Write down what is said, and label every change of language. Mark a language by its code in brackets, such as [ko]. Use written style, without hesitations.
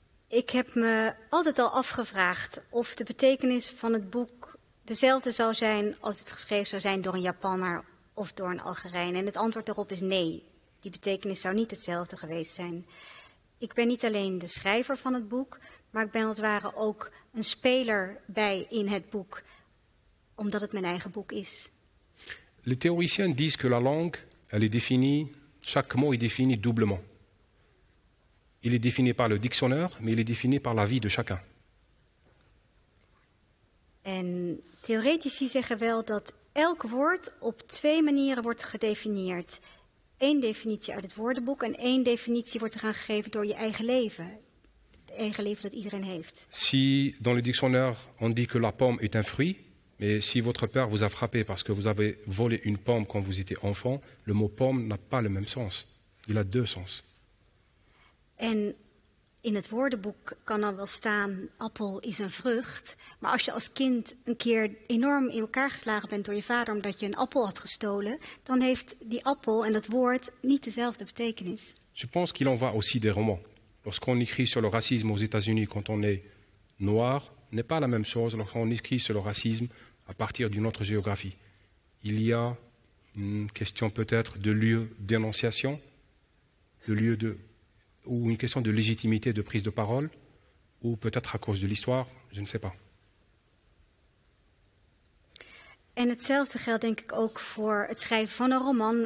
[nl] Ik heb me altijd al afgevraagd of de betekenis van het boek dezelfde zou zijn als het geschreven zou zijn door een Japanner of door een Algerijn. En het antwoord daarop is nee. Die betekenis zou niet hetzelfde geweest zijn. Ik ben niet alleen de schrijver van het boek, maar ik ben als het ware ook een speler bij in het boek, omdat het mijn eigen boek is. [fr] Les théoriciens disent que la langue, elle est définie, chaque mot est défini doublement. Il est défini par le dictionnaire, mais il est défini par la vie de chacun. [nl] En theoretici zeggen wel dat elk woord op twee manieren wordt gedefinieerd. Eén definitie uit het woordenboek en één definitie wordt eraan gegeven door je eigen leven. Het eigen leven dat iedereen heeft. [fr] Si dans le dictionnaire on dit que la pomme est un fruit, mais si votre père vous a frappé parce que vous avez volé une pomme quand vous étiez enfant, le mot pomme n'a pas le même sens. Il a deux sens. [nl] En in het woordenboek kan dan wel staan, appel is een vrucht. Maar als je als kind een keer enorm in elkaar geslagen bent door je vader omdat je een appel had gestolen, dan heeft die appel en dat woord niet dezelfde betekenis. [fr] Je pense qu'il en va aussi des romans. Lorsqu'on écrit sur le racisme aux États-Unis quand on est noir, n'est pas la même chose lorsqu'on écrit sur le racisme à partir d'une autre géographie. Il y a une question peut-être de lieu d'énonciation, de lieu de... ou une question de légitimité de prise de parole, ou peut-être à cause de l'histoire, je ne sais pas. [nl] En hetzelfde geldt denk ik ook voor het schrijven van een roman.